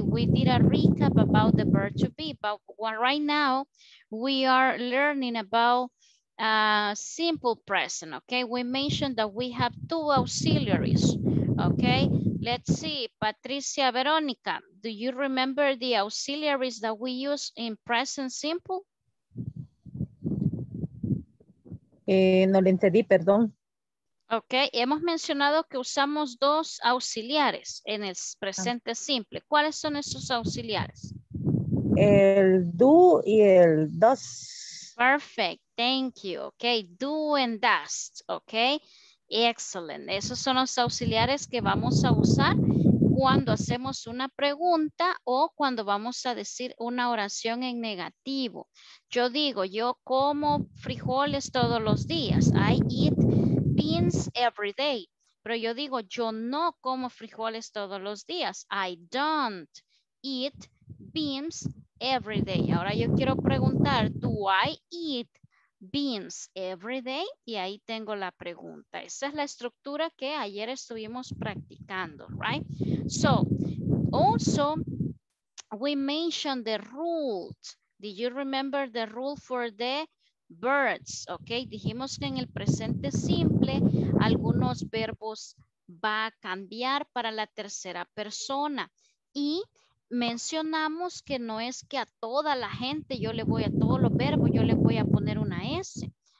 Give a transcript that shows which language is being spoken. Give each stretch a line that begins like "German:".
English: We did a recap about the verb to be, but right now we are learning about simple present, okay? We mentioned that we have two auxiliaries, okay? Let's see, Patricia, Veronica, do you remember the auxiliaries that we use in present simple?
Spanish: No le entendí, perdón. Ok, hemos mencionado que usamos dos auxiliares en el presente simple. ¿Cuáles son esos auxiliares? El do y el does.
English: Perfect, thank you. Ok, do and does. Ok, excellent.
Spanish: Esos son los auxiliares que vamos a usar cuando hacemos una pregunta o cuando vamos a decir una oración en negativo. Yo digo, yo como frijoles todos los días.
English: I eat beans every day.
Spanish: Pero yo digo, yo no como frijoles todos los días.
English: I don't eat beans every day.
Spanish: Ahora yo quiero preguntar,
English: do I eat beans every day?
Spanish: Y ahí tengo la pregunta. Esa es la estructura que ayer estuvimos practicando, right?
English: So, also, we mentioned the rules. Did you remember the rule for the verbs?
Spanish: Okay, dijimos que en el presente simple, algunos verbos va a cambiar para la tercera persona. Y mencionamos que no es que a toda la gente, yo le voy a todos los verbos, yo le voy a poner una S.